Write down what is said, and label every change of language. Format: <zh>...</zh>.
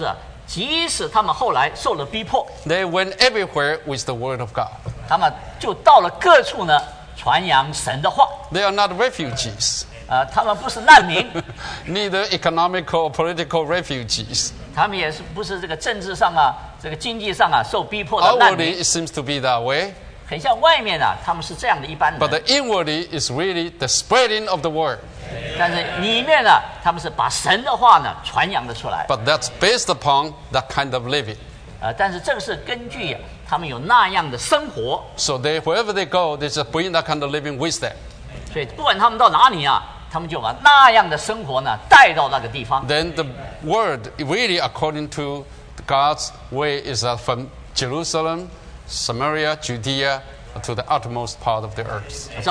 <zh>结果他们的见证就是，即使他们后来受了逼迫，</zh> <en>they went everywhere with the word of God.</en> <zh>他们就到了各处呢，传扬神的话。</zh> <en>They are not refugees.</en> <zh>他们不是难民。</zh> <en>Neither economical or political refugees.</en> <zh>他们也不是这个政治上啊，这个经济上啊受逼迫的难民。</zh> <en>Outwardly, it seems to be that way.</en> <zh>很像外面啊，他们是这样的一般人。</zh> <en>But the inwardly is really the spreading of the word.</en> <zh>但是里面呢，他们是把神的话呢传扬了出来。</zh> <en>But that's based upon that kind of living.</en> <zh>但是这个是根据他们有那样的生活。</zh> <en>So they, wherever they go, they just bring that kind of living with them.</en> <zh>所以不管他们到哪里啊，他们就把那样的生活呢带到那个地方。</zh> <en>Then the word really according to God's way is that from Jerusalem, Samaria, Judea, to the utmost part of the earth.</en>